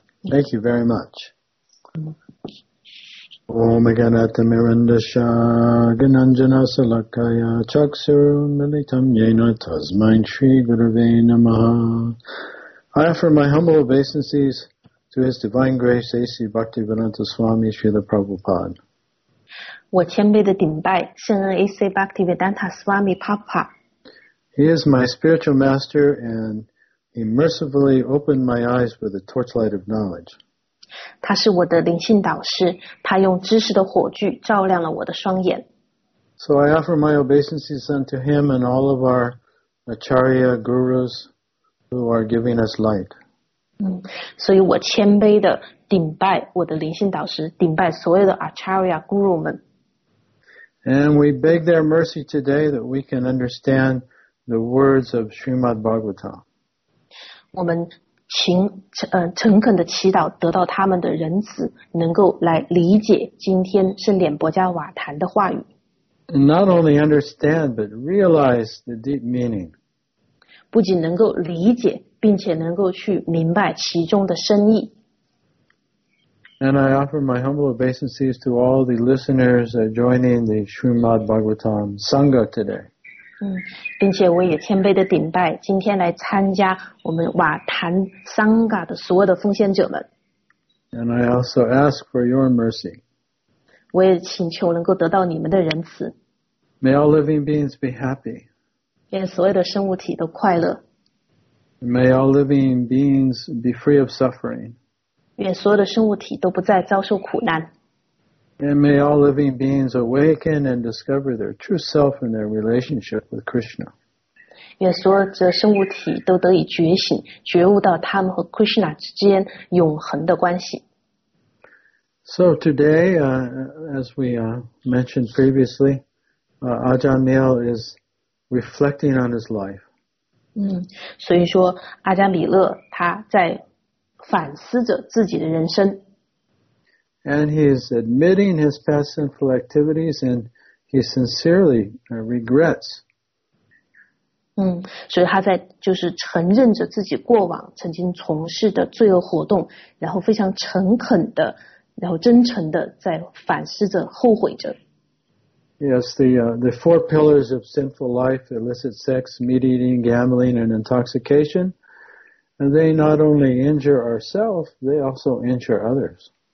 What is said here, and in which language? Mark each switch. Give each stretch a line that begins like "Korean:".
English: Thank you very much.
Sanskrit: Om Aganata Mirandasha Gananjana Salakaya Chaksuru Militam Yena Tasmain Shri Gurave Namaha.
English: I offer my humble obeisancesTo His Divine Grace, A.C. Bhaktivedanta Swami Srila Prabhupada.
Chinese: 我谦卑的顶拜圣恩 A.C.
English: Bhaktivedanta Swami Papa. He is my spiritual master and he mercifully opened my eyes with the torchlight of knowledge.
Chinese: 他是我的灵性导师，他用知识的火炬照亮了我的双眼。
English: So I offer my obeisances unto him and all of our Acharya gurus who are giving us light.
Chinese: 所以我谦卑的顶拜我的灵性导师，顶拜所有的 Acharya Guru 们。
English: And we beg their mercy today that we can understand the words of Srimad Bhagavatam.
Chinese: 我们诚恳的祈祷得到他们的仁慈，能够来理解今天圣典薄伽瓦坛的话语。
English: And not only understand, but realize the deep meaning.
Chinese: 不仅能够理解，并且能够去明白其中的深意。
English: And I offer my humble obeisances to all the listeners joining the Srimad Bhagavatam Sangha today.
Chinese: 并且我也谦卑的顶拜今天来参加我们瓦坛桑嘎的所有的奉献者们。
English: And I also ask for your mercy.
Chinese: 我也请求能够得到你们的仁慈。
English: May all living beings be happy.
Chinese: 愿所有的生物体都快乐。
English: May all living beings be free of suffering.
Chinese: 愿所有的生物体都不再遭受苦难。
English: And may all living beings awaken and discover their true self and their relationship with Krishna.
Chinese: 愿所有的生物体都得以觉醒，觉悟到他们和 Krishna 之间永恒的关系。
English: So today, as we mentioned previously, Ajahn Meel is reflecting on his life.
Chinese: 所以说阿迦米勒他在反思着自己的人生。
English: And he is admitting his past sinful activities, and he sincerely regrets.
Chinese: 所以他在就是承认着自己过往曾经从事的罪恶活动，然后非常诚恳的，然后真诚的在反思着，后悔着。
English: Yes, the four pillars of sinful life, illicit sex, meat eating, gambling, and intoxication, and they not only injure ourselves, they also injure others.